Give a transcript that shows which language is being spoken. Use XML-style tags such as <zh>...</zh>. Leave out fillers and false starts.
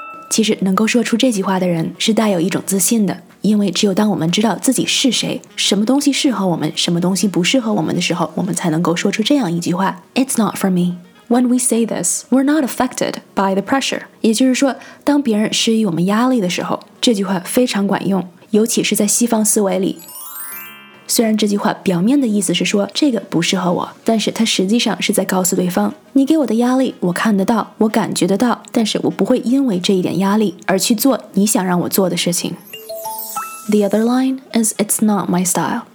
<zh>其实能够说出这句话的人是带有一种自信的。因为只有当我们知道自己是谁，什么东西适合我们，什么东西不适合我们的时候，我们才能够说出这样一句话</zh> <en>It's not for me. When we say this, we're not affected by the pressure.</en> <zh>也就是说，当别人施予我们压力的时候，这句话非常管用，尤其是在西方思维里。虽然这句话表面的意思是说这个不适合我，但是它实际上是在告诉对方，你给我的压力我看得到，我感觉得到，但是我不会因为这一点压力而去做你想让我做的事情。</zh> <en>The other line is it's not my style.</en>